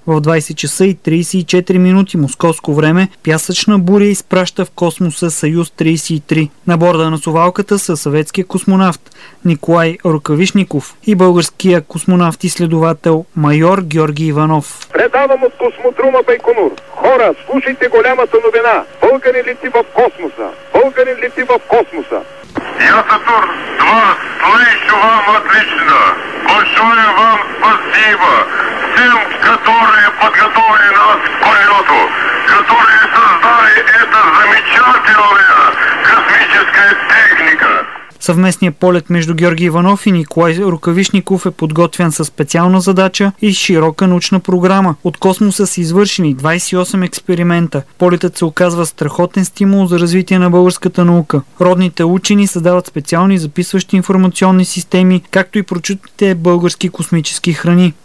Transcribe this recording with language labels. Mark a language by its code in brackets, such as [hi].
[bg] В 20 часа и 34 минути московско време пясъчна буря изпраща в космоса Съюз 33. На борда на совалката са съветския космонавт Николай Рукавишников и българския космонавт-изследовател майор Георги Иванов. Предавам от космодрума Байконур. Хора, слушайте голямата новина. Българи лети в космоса. Българи лети в космоса. [ru] Я Сатурн 2, слышу вам отлично. Большое вам спасибо всем, которые подготовили нас к полету, которые создали это замечательное космическое техника. [bg] Съвместният полет между Георги Иванов и Николай Рукавишников е подготвен със специална задача и широка научна програма. От космоса са извършени 28 експеримента. Полетът се оказва страхотен стимул за развитие на българската наука. Родните учени създават специални записващи информационни системи, както и прочутите български космически храни.